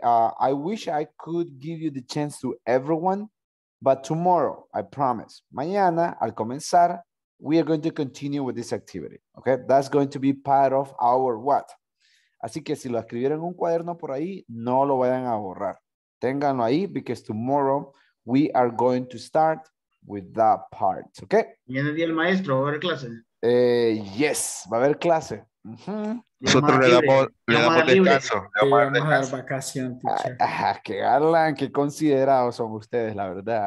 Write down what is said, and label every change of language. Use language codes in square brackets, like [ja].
[en] I wish I could give you the chance to everyone, but tomorrow, I promise. [es] Mañana, al comenzar, [en] we are going to continue with this activity. Okay, that's going to be part of our what? [es] Así que si lo escribieron en un cuaderno por ahí, no lo vayan a borrar. Ténganlo ahí, [en] because tomorrow we are going to start with that part, okay? [es] ¿Viene el día el maestro? ¿Va a haber clase? [en] Yes, [es] va a haber clase. Uh-huh. Nosotros le damos descanso. Vamos a dar vacación, teacher. Qué galán, qué considerados son ustedes, la verdad.